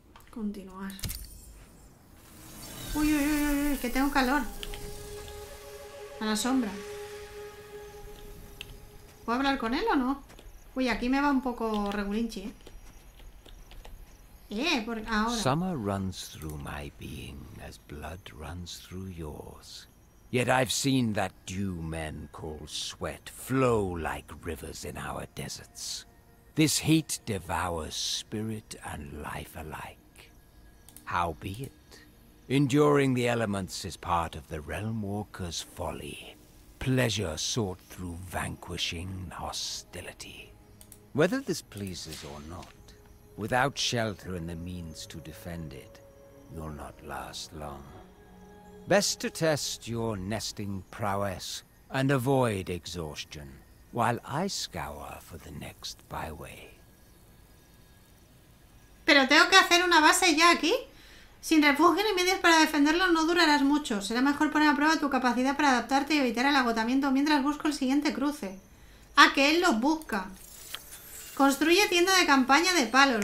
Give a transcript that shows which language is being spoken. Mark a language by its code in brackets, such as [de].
[es] Continuar. Uy, uy, uy, uy, que tengo calor. A la sombra. ¿Puedo hablar con él o no? Uy, aquí me va un poco regulinchi, ¿eh? Por ahora. [en] Summer runs through my being as blood runs through yours. Yet I've seen that dew men call sweat flow like rivers in our deserts. This heat devours spirit and life alike. How be it? Enduring the elements is part of the realm walker's folly. Pleasure sought through vanquishing hostility. Whether this pleases or not, without shelter and the means to defend it, you'll not last long. Best to test your nesting prowess and avoid exhaustion while I scour for the next byway. [es] Pero tengo que hacer una base ya aquí. Sin refugio ni medios para defenderlo no durarás mucho. Será mejor poner a prueba tu capacidad para adaptarte y evitar el agotamiento mientras busco el siguiente cruce. Ah, que él lo busca. Construye tienda de campaña de palos.